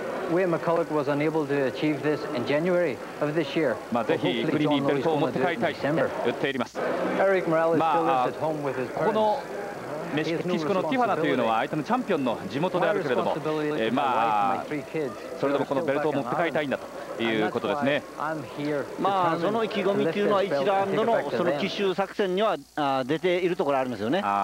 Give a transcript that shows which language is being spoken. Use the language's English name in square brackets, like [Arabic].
[English] Wayne McCulloch was unable to achieve this in January of this year. [Japanese] まあぜひフリーにベルトを持って帰りたいと言っております。 [English] Eric Morales still lives at home with his parents. [Japanese] メキシコのティファナというのは相手のチャンピオンの地元であるけれども、まあそれでもこのベルトを持って帰りたいんだということですね。まあその意気込みというのは1ラウンドのその奇襲作戦には出ているところありますよね。